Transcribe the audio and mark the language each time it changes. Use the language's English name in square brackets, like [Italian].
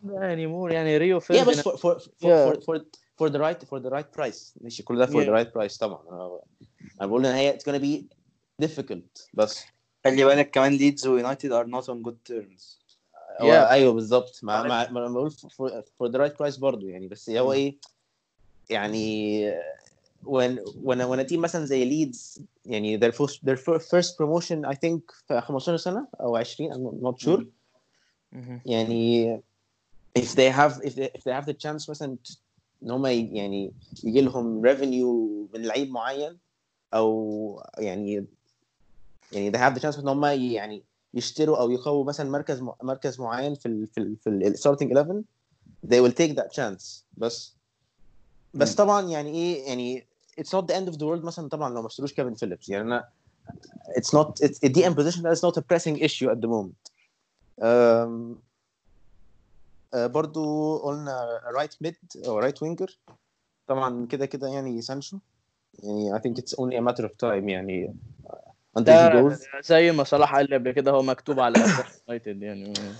[Arabic] يعني anymore يعني Rio [English] Ferdinand yeah but for the right price [Arabic] ماشي كل ده [English] for yeah. the right price [Arabic] طبعا انا بقول ان هي [English] it's gonna be difficult [Arabic] بس خلي بالك كمان ليدز ويونايتد [English] are not on good terms yeah. [Arabic] ايوه بالظبط ما ما بقول [English] for the right price [Arabic] برضو يعني بس هو ايه يعني [English] when a team [Arabic] مثلا زي ليدز يعني [English] their first promotion I think [Arabic] في 15 سنه او 20 [English] I'm not sure [Arabic] يعني [English] if they have the chance [Arabic] مثلا ان هم يعني يجي لهم revenue من لعيب معين او يعني [English] they have the chance [Arabic] ان هم يعني يشتروا او يقووا مثلا مركز معين في ال starting 11 [English] they will take that chance [Arabic] بس طبعا يعني ايه يعني [English] it's not the end of the world [Arabic] مثلا طبعا لو ما اشتروش كيفن فيليبس يعني انا [English] it's the DM position that is not a pressing issue at the moment. [Arabic] برضو قلنا [English] right mid or right winger [Arabic] طبعا كده يعني سانشو يعني [English] I think it's only a matter of time [Arabic] يعني زي ما صلاح قال قبل كده هو مكتوب على يونايتد يعني